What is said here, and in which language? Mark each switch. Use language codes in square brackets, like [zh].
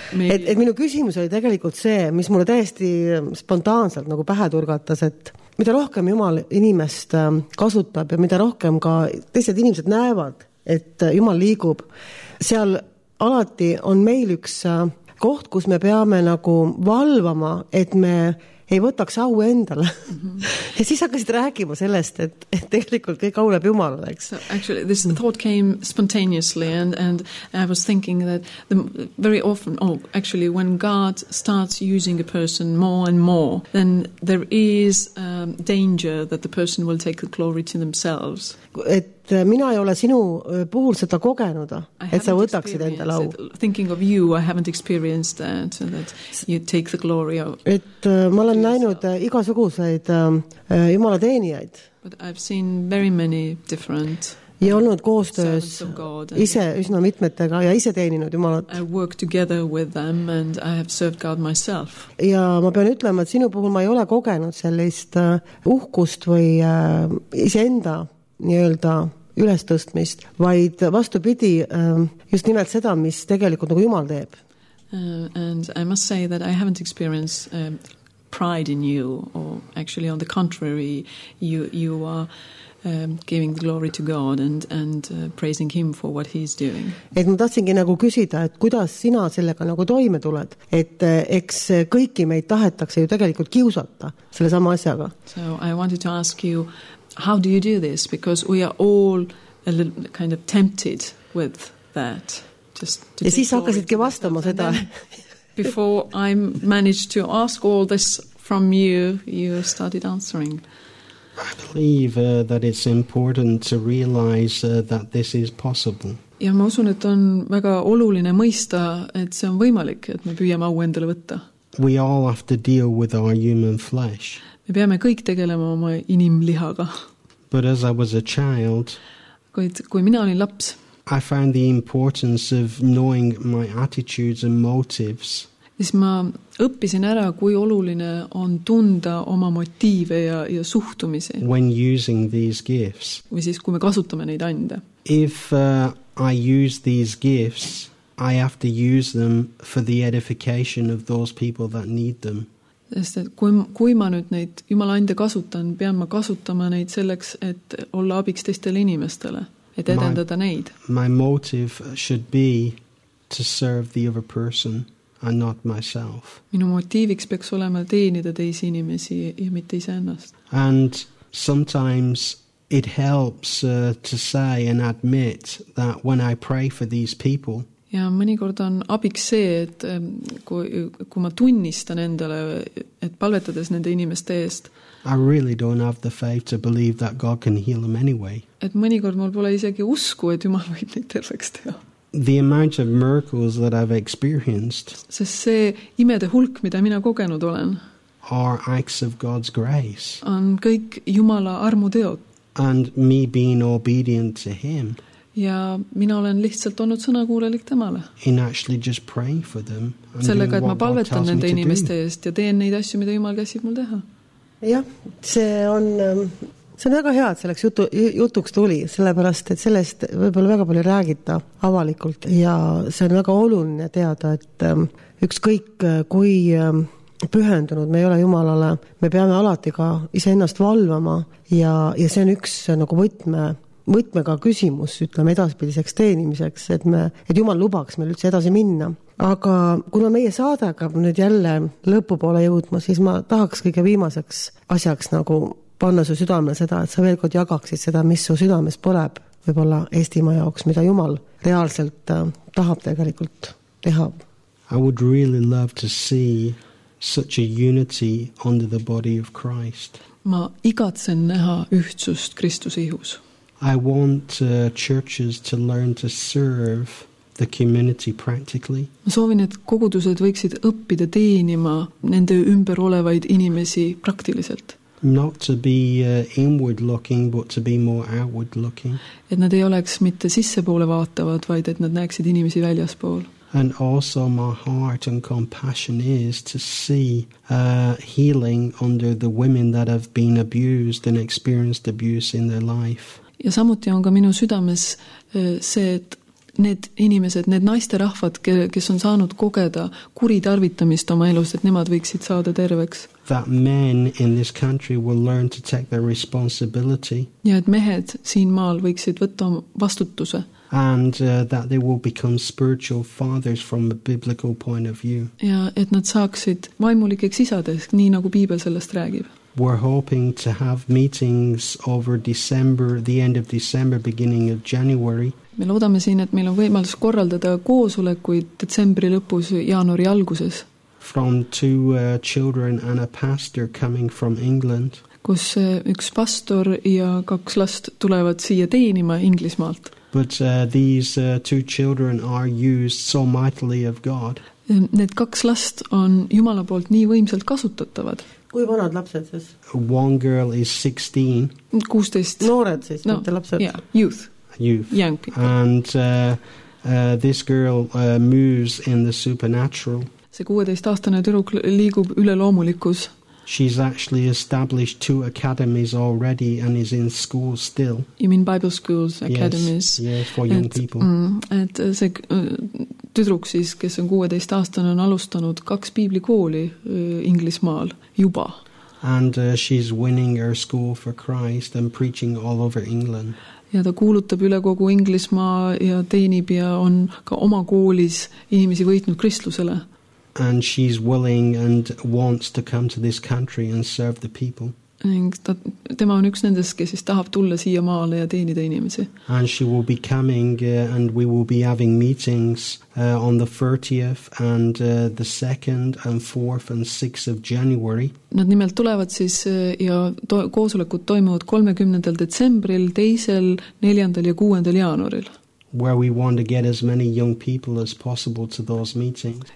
[et] Et minu küsimus oli tegelikult see, mis mulle täiesti spontaanselt nagu pähe turgatas, et mida rohkem Jumal inimest kasutab ja mida rohkem ka teised inimesed näevad, et Jumal liigub, seal alati on meil üks koht, kus me peame nagu valvama, et me ei võtaks au endale. Mm-hmm. Ja siis hakkasid rääkima sellest, et, et tegelikult kõik auleb Jumalaleks. [en] So actually, this thought came spontaneously and I was thinking that the, very often, oh, actually, when God starts using a person more and more, then there is danger that the person will take the glory to themselves. [et] Et mina ei ole sinu puhul seda kogenud, et sa võtaksid endale au. [en] Thinking of you, I haven't experienced that, so that you take the glory of [et] Et ma olen näinud igasuguseid Jumala teenijaid. [en] But I've seen very many different [et] Ja olnud koostöös ise üsna mitmetega ja ise teeninud Jumalat. [en] I work together with them and I have served God myself. [et] Ja ma pean ütlema, et sinu puhul ma ei ole kogenud sellist uhkust või ise enda nii-öelda ülestõstmist, vaid vastupidi just nimelt seda, mis tegelikult nagu Jumal teeb. [en] And I must say that I haven't experienced pride in you, or actually on the contrary, you are giving the glory to God and praising him for what he's doing. [et] Et ma tahtsingi nagu küsida, et kuidas sina sellega nagu toime tuled, et eks kõiki meid tahetakse ju tegelikult kiusata selle sama asjaga. [en] So I wanted to ask you, how do you do this? Because we are all a little kind of tempted with that. [et] Just to ja siis hakkasidki vastama seda. [en] Before I managed to ask all this from you, you started answering. I believe that it's important to realize that this is possible. [et] Ja ma usun, et on väga oluline mõista, et see on võimalik, et me püüame au endale võtta. [en] We all have to deal with our human flesh. [et] Me peame kõik tegelema oma inimlihaga. [en] But as I was a child, [et] kui mina olin laps, [en] I found the importance of knowing my attitudes and motives. [et] Siis ma õppisin ära, kui oluline on tunda oma motiive ja suhtumise. [en] When using these gifts. [et] Või siis, kui me kasutame neid ande. [en] If I use these gifts, I have to use them for the edification of those people that need them. [et] Sest kui ma nüüd neid Jumala ande kasutan, pean ma kasutama neid selleks, et olla abiks teistele inimestele, et edendada neid. [en] My motive should be to serve the other person and not myself. [et] Minu motiiviks peaks olema teenida teisi inimesi ja mitte ise ennast. [en] And sometimes it helps to say and admit that when I pray for these people, [et] Ja mõnikord on abiks see, et kui ma tunnistan endale, et palvetades nende inimeste eest. [en] I really don't have the faith to believe that God can heal them anyway. [et] Et mõnikord mul pole isegi usku, et Jumal võib neid terveks teha. [en] The amount of miracles that I've experienced. [et] Sest see imede hulk, mida mina kogenud olen. [en] Are acts of God's grace. [et] On kõik Jumala armu teod. [en] And me being obedient to him. [et] Ja mina olen lihtsalt olnud sõna kuulelik temale. [en] In actually just praying for them. [et] Sellega, et ma palvetan nende inimeste eest ja teen neid asju, mida Jumal käsib mul teha. Ja, see on väga hea, et selleks jutuks tuli, sellepärast, et sellest võib-olla väga palju räägita avalikult. Ja see on väga oluline teada, et ükskõik kui pühendunud me ei ole Jumalale, me peame alati ka ise ennast valvama ja see on üks nagu võtmega küsimus, ütleme edaspidiseks teenimiseks, et Jumal lubaks meil üldse edasi minna. Aga kuna meie saade hakkab nüüd jälle lõpupoole jõudma, siis ma tahaks kõige viimaseks asjaks nagu panna su südame seda, et sa veel kord jagaksid seda, mis su südames poleb võibolla Eestimaa jaoks, mida Jumal reaalselt tahab tegelikult teha. [en] I would really love to see such a unity under the body of Christ. [et] Ma igatsen näha ühtsust Kristus ihus. [en] I want churches to learn to serve the community practically. [et] Ma soovin, et kogudused võiksid õppida teenima nende ümber olevaid inimesi praktiliselt. [en] Not to be inward looking, but to be more outward looking. [et] Et nad ei oleks mitte sissepoole vaatavad, vaid et nad näeksid inimesi väljaspool. [en] And also my heart and compassion is to see healing under the women that have been abused and experienced abuse in their life. [et] Ja samuti on ka minu südames see, et need inimesed, need naisterahvad, kes on saanud kogeda kuritarvitamist oma elus, et nemad võiksid saada terveks. [en] That men in this country will learn to take their responsibility. [et] Ja et mehed siin maal võiksid võtta vastutuse. [en] And that they will become spiritual fathers from a biblical point of view. [et] Ja et nad saaksid vaimulikeks isades, nii nagu Piibel sellest räägib. [en] We're hoping to have meetings over December, the end of December, beginning of January. [et] Me loodame siin, et meil on võimalus korraldada koosolekuid detsembri lõpus, jaanuari alguses. [en] From two children and a pastor coming from England. [et] Kus üks pastor ja kaks last tulevad siia teenima Inglismaalt. [en] But these two children are used so mightily of God. [et] Need kaks last on Jumala poolt nii võimselt kasutatavad. Kui vanad lapsed siis? [en] One girl is 16. [et] 16. Noored siis, no, mitte lapsed. [en] Yeah, youth. Youth. Young people. And this girl moves in the supernatural. [et] See 16-aastane tüdruk liigub üleloomulikus. [en] She's actually established two academies already and is in school still. You mean Bible schools, academies? Yes, for young people. [et] Et see tüdruk siis, kes on 16-aastane, on alustanud kaks piiblikooli Inglismaal juba. [en] And she's winning her school for Christ and preaching all over England. [et] Ja ta kuulutab üle kogu Inglismaa ja teenib ja on ka oma koolis inimesi võitnud kristlusele. [en] And she's willing and wants to come to this country and serve the people. [et] Ning tema on üks nendest, kes siis tahab tulla siia maale ja teenida inimesi. [en] And she will be coming and we will be having meetings on the 30th and the 2nd and 4th and 6th of January. [et] Nad nimelt tulevad siis ja koosolekud toimuvad 30. detsembril, 2. 4. ja 6. jaanuaril. [en] Where we want to get as many young people as possible to those meetings.